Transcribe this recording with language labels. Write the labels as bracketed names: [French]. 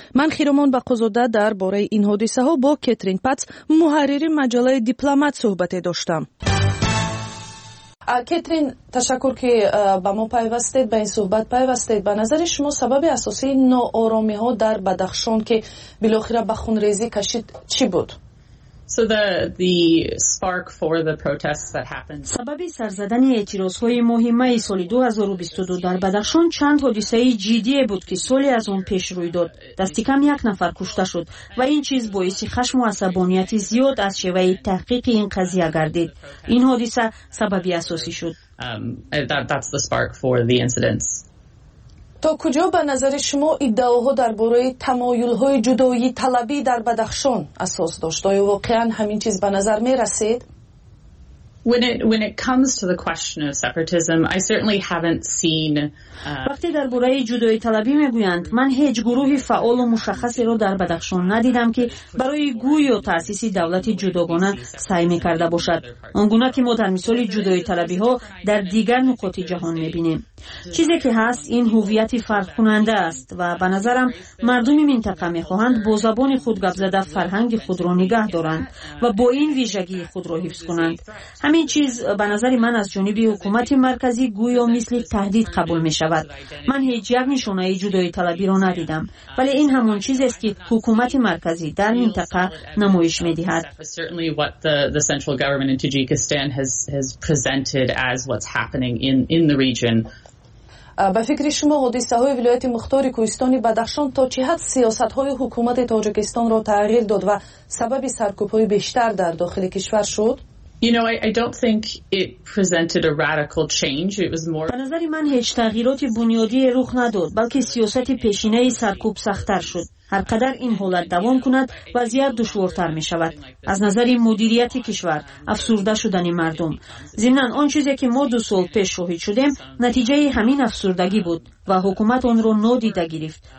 [Persian] من خیرمان بقازاده در باره این حادثه ها با کترین پتس محرر مجله دیپلمات صحبت داشتم. کترین تشکر که با ما پیوستید، به این صحبت پیوستید. به نظر شما سبب اساسی ناآرامی ها در بدخشان که بالاخره به خونریزی کشید چی بود؟ [English] So the spark for the protests that happened. [Tajik] Сабаби сарзадани эътирозҳои муҳими соли 2022 дар Бадахшон чанд ҳодисаи ҷиддие буд ки соли аз он пеш рӯй дод. Дасти кам як нафар кушта шуд ва ин чиз боиси хашм ва асабонияти зиёд аз шеваи таҳқиқи ин қазия гардид. Ин ҳодиса сабаби асосӣ шуд. [English] That's the spark for the incidents. [Tajik] То куҷо ба назари шумо иддаоҳо дар бораи тамоюлҳои ҷудоии талабӣ дар Бадахшон асос дошт? Оё воқеан ҳамин чиз ба назар мерасед? [English] When it comes to the question of separatism, I certainly haven't seen [Persian] وقتی درباره جدایی طلبی میگویند من هیچ گروهی فعال و مشخصی را در بدخشان ندیدم که برای گویی و تاسیس دولت جداگانه سعی میکرده باشد آنگونه که ما در مثال جدایی طلبی ها در دیگر نقاط جهان میبینیم چیزی که هست این هویت فرق کننده است و به نظرم مردم منطقه میخواهند با زبان خود گپ زده فرهنگ خود را نگه دارند و با این ویژگی خود را حفظ کنند همین چیز به نظر من از جانب حکومت مرکزی گویا مثل تهدید قبول می شود. من هیچ یک نشانه جدایی طلبی را ندیدم. ولی این همون چیز است که حکومت مرکزی در منطقه نمایش می دهد. به فکر شما حادثه های ولایت مختار کوهستان بدخشان تا چه حد سیاست های حکومت تاجیکستان را تغییر داد و سبب سرکوب های بیشتر در داخل کشور شد؟ [English] You know, I don't think it presented a radical change. It was more. [Persian] به نظر من هیچ تغییراتی بنیادی رخ نداد، بلکه سیاست پیشینه سرکوب سخت‌تر شد. هر قدر این حالت دوام کند، وضعیت دشوارتر می شود. از نظر مدیریت کشور، افسرده شدن مردم. ضمناً آن چیزی که ما 2 سال پیش شاهد شدیم، نتیجه همین افسردگی بود و حکومت آن را نادیده گرفت.